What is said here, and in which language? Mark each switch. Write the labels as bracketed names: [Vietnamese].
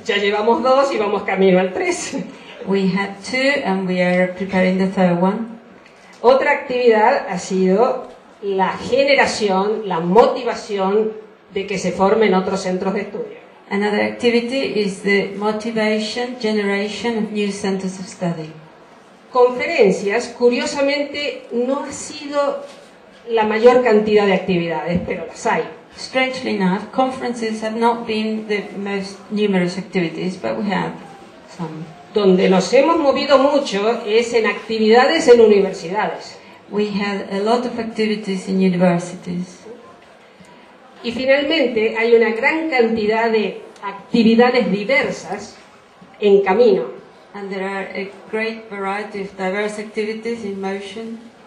[Spanish] Ya llevamos dos y vamos camino al tres. [English] We had two and we are preparing the third one. [Spanish] Otra actividad ha sido la generación, la motivación de que se formen otros centros de estudio. [English] Another activity is the motivation, generation of new centers of study. [Spanish] Conferencias, curiosamente, no ha sido la mayor cantidad de actividades, pero las hay. [English] Strangely enough, conferences have not been the most numerous activities, but we have some. [Spanish] Donde nos hemos movido mucho es en actividades en universidades. [English] We had a lot of activities in universities. [Spanish] Y finalmente, hay una gran cantidad de actividades diversas en camino. [English] And there are a great variety of diverse activities in motion.